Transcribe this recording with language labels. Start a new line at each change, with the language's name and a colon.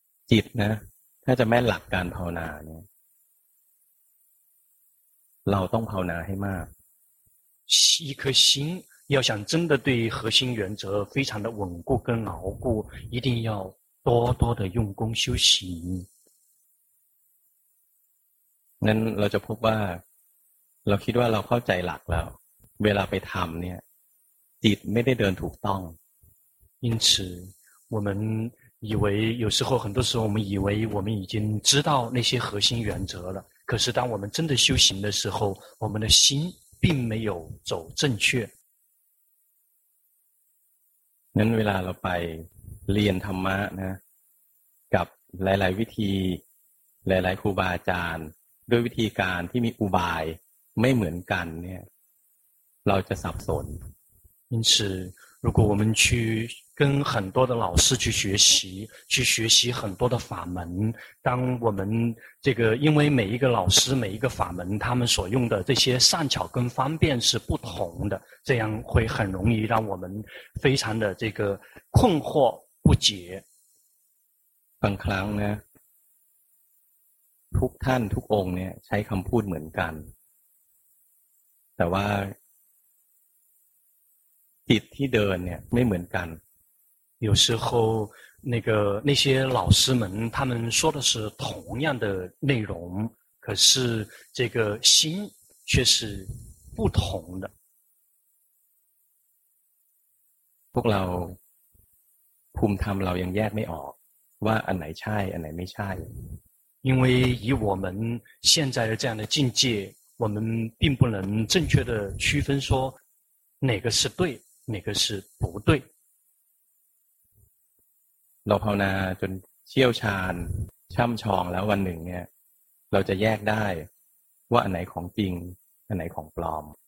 Thai: จิตนะถ้าจะแม่นหลักการภาวนาเนี่ยเราต้องภาวนาให้มาก
Chinese: 一颗心要想真的对核心原则非常的稳固跟牢固一定要多多的用功修行
Thai: นั้นเราจะพบว่าเราคิดว่าเราเข้าใจหลักแล้วเวลาไปทำเนี่ยจิตไม่ได้เดินถูกต้อง
Chinese: 因此我们以为有时候很多时候我们以为我们已经知道那些核心原则了可是当我们真的修行的时候我们的心并没有走正确
Thai: นั้นเวลาเราไปเรียนธรรมะนะกับหลายๆวิธีหลายๆครูบาอาจารย์ด้วยวิธีการที่มีอุบายไม่เหมือนกันเนี่ยเราจะสับสน
Chinese: 因此如果我们去跟很多的老师去学习去学习很多的法门当我们这个因为每一个老师每一个法门他们所用的这些善巧跟方便是不同的这样会很容易让我们非常的这个困惑不解
Thai: บางครั้งนะทุกท่านทุกองค์เนี่ยใช้คำพูดเหมือนกันแต่ว่าจิตที่เดินเนี่ยไม่เหมือนกัน
Chinese: 有时候那些老师们他们说的是同样的内容可是这个心却是不同的
Thai: พวกเราภูมิธรรมเรายังแยกไม่ออกว่าอันไหนใช่อันไหนไม่ใช่
Chinese: 因为以我们现在的这样的境界我们并不能正确的区分说哪个是对哪个是不对
Thai: เราภาวนาจนเชี่ยวชาญช่ำชองแล้ววันหนึ่งเนี่ยเราจะแยกได้ว่าอันไหนของจริงอันไหนของปลอม